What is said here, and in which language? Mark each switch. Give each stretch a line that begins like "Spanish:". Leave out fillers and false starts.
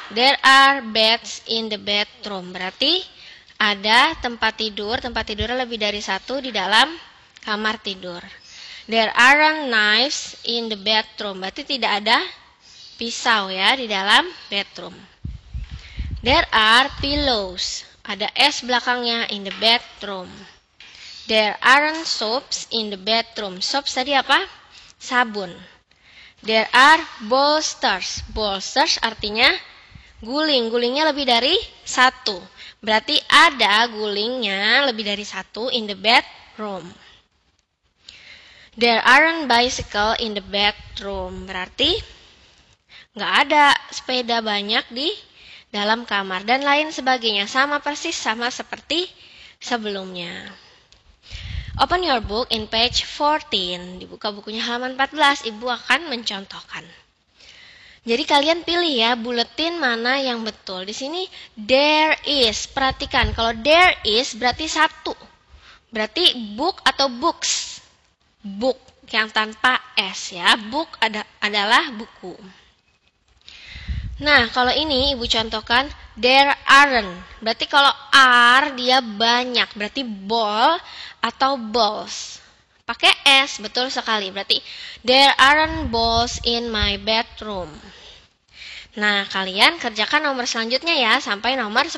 English: There are beds in the bedroom.
Indonesian: Berarti ada tempat tidur. Tempat tidurnya lebih dari satu di dalam kamar tidur.
English: There aren't knives in the bedroom.
Indonesian: Berarti tidak ada pisau ya di dalam bedroom.
English: There are pillows.
Indonesian: Ada S belakangnya
English: in the bedroom. There aren't soaps in the bedroom.
Indonesian: Soaps tadi apa? Sabun.
English: There are bolsters.
Indonesian: Bolsters artinya guling. Gulingnya lebih dari satu. Berarti ada gulingnya lebih dari satu
English: in the bedroom. There aren't bicycle in the bedroom.
Indonesian: Berarti nggak ada sepeda banyak di dalam kamar. Dan lain sebagainya. Sama persis sama seperti sebelumnya.
English: Open your book in page 14.
Indonesian: Dibuka bukunya halaman 14. Ibu akan mencontohkan. Jadi kalian pilih ya buletin mana yang betul. Di sini
English: there is.
Indonesian: Perhatikan kalau there is berarti satu. Berarti book atau books. Book yang tanpa s ya. Book adalah buku. Nah kalau ini ibu contohkan
English: there aren't.
Indonesian: Berarti kalau are dia banyak. Berarti ball atau balls. Pakai S, betul sekali.
English: Berarti there aren't balls in my bedroom.
Indonesian: Nah, kalian kerjakan nomor selanjutnya ya sampai nomor 10.